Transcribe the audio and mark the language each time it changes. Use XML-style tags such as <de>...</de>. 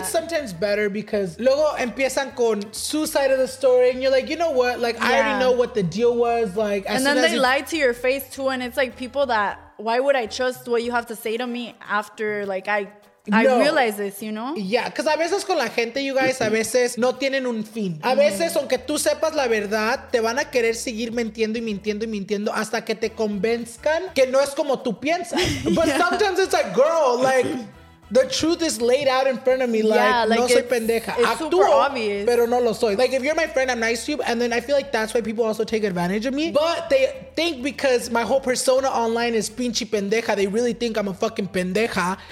<en>it's sometimes better because</en> <es>luego empiezan con su</es> <en>side of the story, and you're like, you know what? Like, I already know what the deal was. Like, as and then soon they lie to your face too, and it's like, people that, why would I trust what you have to say to me after, like, I realize this, you know? Yeah, because</en> <es>a veces con la gente,</es> <en>you guys,</en> <es>a veces no tienen un fin. A veces, aunque tú sepas la verdad, te van a querer seguir mintiendo y mintiendo y mintiendo hasta que te convenzcan que no es como tú piensas.</es> <en>But sometimes it's like, girl, like, the truth is laid out in front of me. Like, like,</en> <es>no soy pendeja.</es> <en>It's super obvious.</en> <es>Pero no lo soy.</es> <en>Like, if you're my friend, I'm nice to you. And then I feel like that's why people also take advantage of me. But they think because my whole persona online is</en> <es>pinche pendeja,</es> <en>they really think I'm a fucking pendeja.</en>